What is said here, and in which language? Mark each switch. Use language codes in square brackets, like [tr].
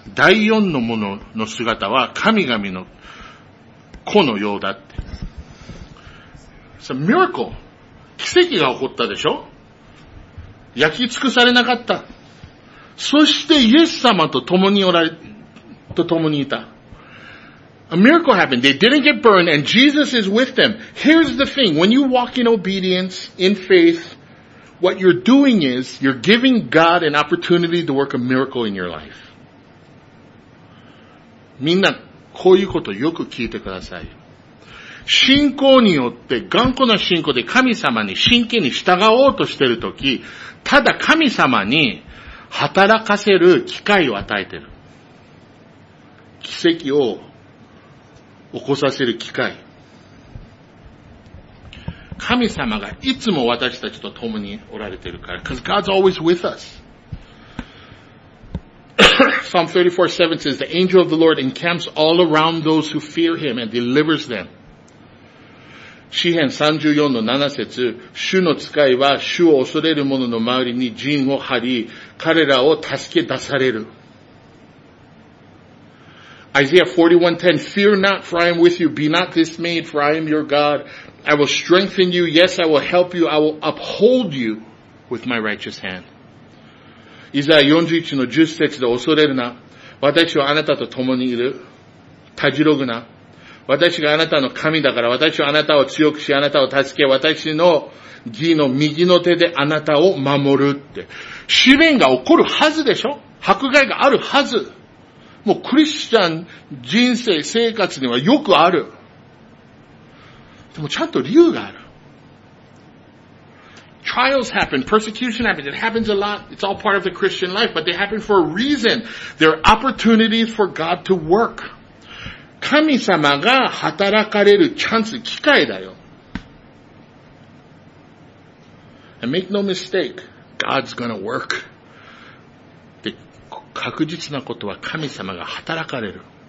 [ja] 第四の者の姿は神々の子のようだって。 [en] It's a miracle. [ja] 奇跡が起こったでしょ?焼き尽くされなかった。そしてイエス様と共におられ、と共にいた。 [en] A miracle happened. They didn't get burned and Jesus is with them. Here's the thing. When you walk in obedience, in faith,What you're doing is, you're giving God an opportunity to work a miracle in your life. [ja] みんな、こういうことよく聞いてください。信仰によって、頑固な信仰で神様に真剣に従おうとしているとき、ただ神様に働かせる機会を与えている。奇跡を起こさせる機会。神様がいつも私たちと共におられているから。 [en] Because God's always with us. Psalm 34:7 says, The angel of the Lord encamps all around those who fear him and delivers them. [ja] 詩編34:7節、主の使いは主を恐れる者の周りに陣を張り、彼らを助け出される。 [en] Isaiah 41:10, Fear not, for I am with you. Be not dismayed, for I am your God. I will strengthen you, yes, I will help you, I will uphold you with my righteous hand. [ja] イザヤ41:10で恐れるな。私はあなたと共にいる。たじろぐな。私があなたの神だから、私はあなたを強くし、あなたを助け、私の義の右の手であなたを守るって。試練が起こるはずでしょ?迫害があるはず。もうクリスチャン人生、生活にはよくある。でもちゃんと理由がある。 [en] Trials happen. Persecution happens. It happens a lot. It's all part of the Christian life, but they happen for a reason. They're opportunities for God to work. [ja] 神様が働かれるチャンス、機会だよ。 [en] And make no mistake, God's gonna work. [ja] で、確実なことは神様が働かれる。